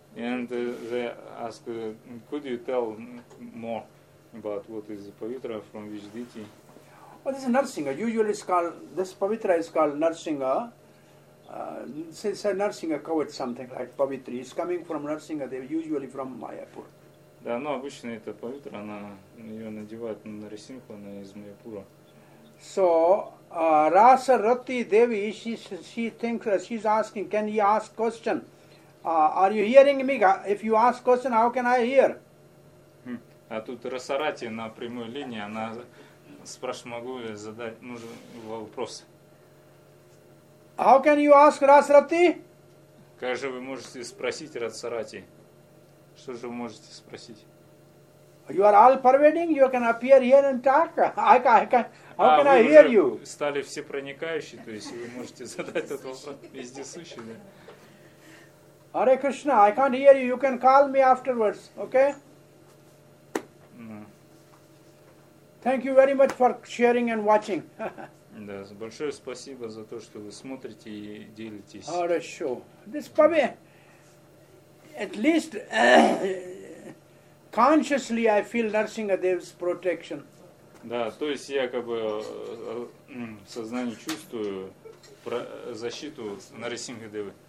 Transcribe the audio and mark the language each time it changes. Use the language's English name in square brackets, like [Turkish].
[English] And they ask, could you tell more about what is the pavitra from which deity? Well, this is Narsinga. Usually this pavitra is called Narsinga. Say Narsinga covered something like pavitri. It's coming from Narsinga. They usually from Mayapur. [Russian] Да, но обычно эта павитра, она ее надевает на Нарисингху, она из Майяпура. [English] So, Rasa Rati Devi, she thinks, she's asking, can he ask question? Are you hearing me? If you ask question, how can I hear? [Russian] А тут Rasa Rati на прямой линии, она спрашивает, могу ли задать нужный вопрос. [English] How can you ask Rasa Rati? [Russian] Как же вы можете спросить, Радхарати? Что же вы можете спросить? [English] You are all pervading, you can appear here and talk. How can I hear you? [Russian] Стали все проникающие, то есть вы можете задать этот вопрос вездесущий, да? [English] Hare Krishna, I can't hear you. You can call me afterwards, okay? Thank you very much for sharing and watching. [Russian] Да, большое спасибо за то, что вы смотрите и делитесь. Хорошо. [English] This probably, at least consciously, I feel Narasingadev's protection. [Russian] Да, то есть я как бы в сознании чувствую защиту Нарасингхадевы.